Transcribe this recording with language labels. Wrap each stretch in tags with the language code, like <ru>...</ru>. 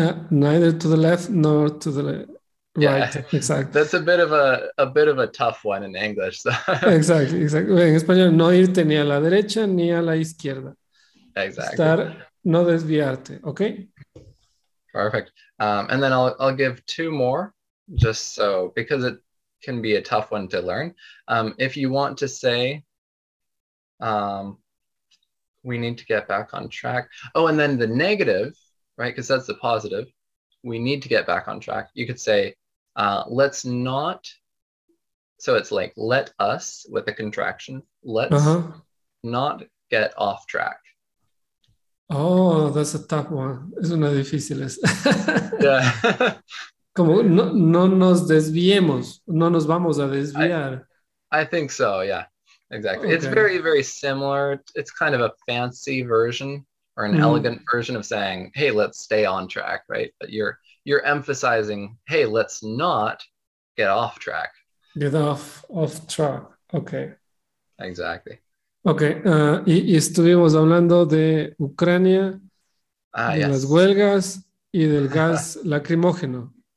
<en>Neither to the left nor to the left. Yeah, right, exactly. That's a bit of a tough one in English. So. Exactly.</en> <es>En español, no irte ni a la derecha ni a la izquierda.</es> <en>Exactly.</en> <es>Estar, no desviarte, okay?</es> <en>Perfect. And then I'll give two more, just so, because it can be a tough one to learn. If you want to say, we need to get back on track. Oh, and then the negative, right? Because that's the positive. We need to get back on track. You could say, let's not, so it's like, let us, with a contraction, let's not get off track. Oh, that's a tough one.</en> <es>Es una difícil.</es> <en>Yeah.</en> <es>Como no nos desviemos, no nos vamos a desviar.</es> <en>I think so, yeah. Exactly. Okay. It's very, very similar. It's kind of a fancy version or an elegant version of saying, hey, let's stay on track, right? But you're emphasizing, hey, let's not get off track. Get off track. Okay. Exactly. Okay.</en> <es>Y estuvimos hablando de Ucrania, de las huelgas y del gas lacrimógeno.</es>